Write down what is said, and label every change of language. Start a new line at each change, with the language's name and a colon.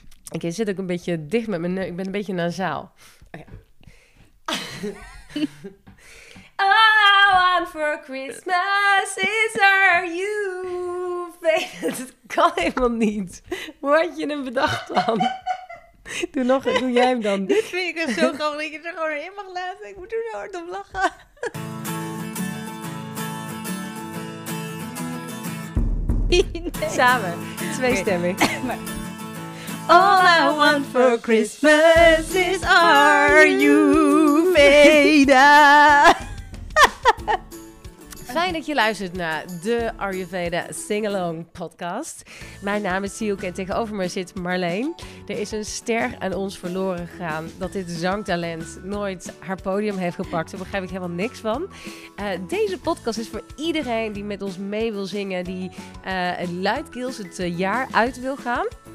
Dutch: Ik zit ook een beetje dicht met mijn neus. Ik ben een beetje nasaal.
English: All I want for Christmas is are you.
Dutch: Faith. Dat kan helemaal niet. Hoe had je hem bedacht dan? Doe nog, doe jij hem dan. Dit vind ik zo grappig dat je er gewoon in mag laten. Ik moet er zo hard om lachen. Nee. Samen, tweestemmig.
English: All I want for Christmas is are you, Veda.
Dutch: Fijn dat je luistert naar de Ayurveda Sing-Along podcast. Mijn naam is Sielke en tegenover me zit Marleen. Er is een ster aan ons verloren gegaan dat dit zangtalent nooit haar podium heeft gepakt. Daar begrijp ik helemaal niks van. Deze podcast is voor iedereen die met ons mee wil zingen, die luidkeels het jaar uit wil gaan.